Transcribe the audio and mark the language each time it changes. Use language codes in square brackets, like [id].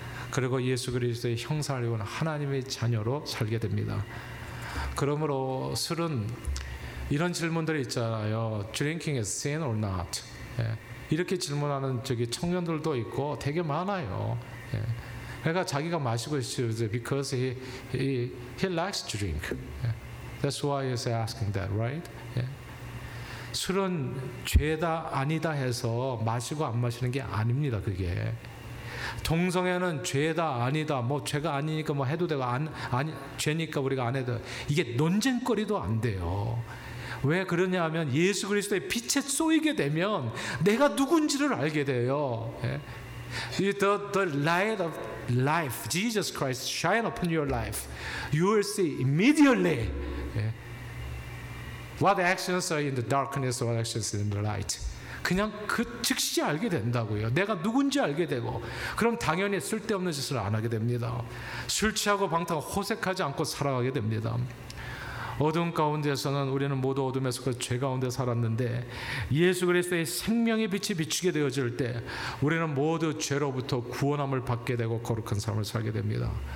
[ko] 그리고 예수 그리스도의 형상을 입은 하나님의 자녀로 살게 됩니다. 그러므로 술은 이런 질문들이 있잖아요. [en] Drinking is sin or not? [ko] 예. 이렇게 질문하는 저기 청년들도 있고 되게 많아요. 예. 그러니까 자기가 마시고 있어요. [en] Because he likes drink. That's why he's asking that, right? [ko] 예. 술은 죄다 아니다 해서 마시고 안 마시는 게 아닙니다. 그게. 동성애는 죄다 아니다 뭐 죄가 아니니까 뭐 해도 되고 아니 죄니까 우리가 안 해도 이게 논쟁거리도 안 돼요. 왜 그러냐면 예수 그리스도의 빛에 쏘이게 되면 내가 누군지를 알게 돼요. [en] The light of life, Jesus Christ, shine upon your life. You will see immediately what actions are in the darkness, what actions are in the light. [ko] 그냥 그 즉시 알게 된다고요. 내가 누군지 알게 되고 그럼 당연히 쓸데없는 짓을 안 하게 됩니다. 술 취하고 방탕 호색하지 않고 살아가게 됩니다. 어둠 가운데서는 우리는 모두 어둠에서 그 죄 가운데 살았는데 예수 그리스도의 생명의 빛이 비추게 되어질 때 우리는 모두 죄로부터 구원함을 받게 되고 거룩한 삶을 살게 됩니다.